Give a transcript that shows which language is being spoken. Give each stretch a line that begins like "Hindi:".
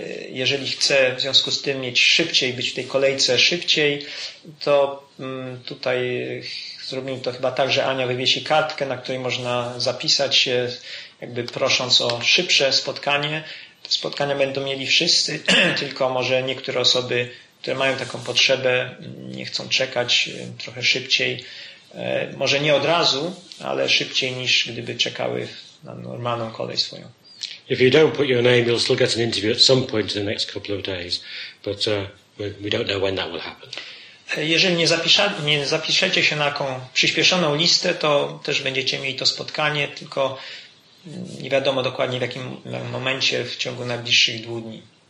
Polish: Jeżeli chce w związku z tym mieć szybciej, być w tej kolejce szybciej, to tutaj zrobimy to chyba tak, że Ania wywiesi kartkę, na której można zapisać się, jakby prosząc o szybsze spotkanie. Te spotkania będą mieli wszyscy, tylko może niektóre osoby, które mają taką potrzebę, nie chcą czekać trochę szybciej. Może nie od razu, ale szybciej niż gdyby czekały na normalną kolej swoją.
English: If you don't put your name, you'll still get an interview at some point in the next couple of days, but we don't know when that will happen.
Polish: Jeżeli nie zapiszecie się na jaką przyspieszoną listę, to też będziecie mieli to spotkanie, tylko nie wiadomo dokładnie w jakim momencie w ciągu najbliższych dwóch dni.